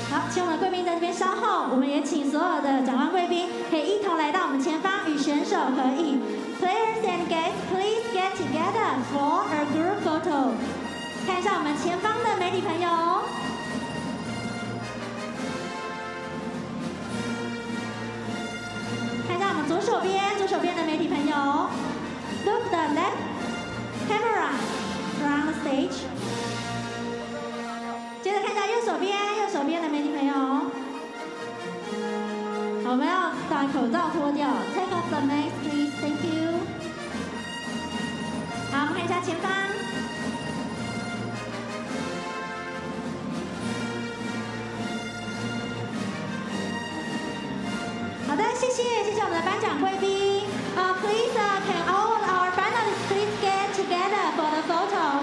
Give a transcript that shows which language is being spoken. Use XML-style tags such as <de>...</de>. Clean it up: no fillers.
<zh>请我们贵宾在这边稍后，我们也请所有的长官贵宾可以一同来到我们前方与选手合影.</zh> <en>Players and guests, please get together for a group photo.</en> <zh>看一下我们前方的媒体朋友。左手边的媒体朋友</zh> <en>，Look the left camera from the stage.</en> <zh>接着看一下右手边的美女朋友，我们要把口罩脱掉 ，</zh> <en>Take off the mask, please. Thank you.</en> <zh>好，我们看一下前方。好的，谢谢，谢谢我们的颁奖贵宾。</zh> <en>Please, can all our finalists please get together for the photo?</en>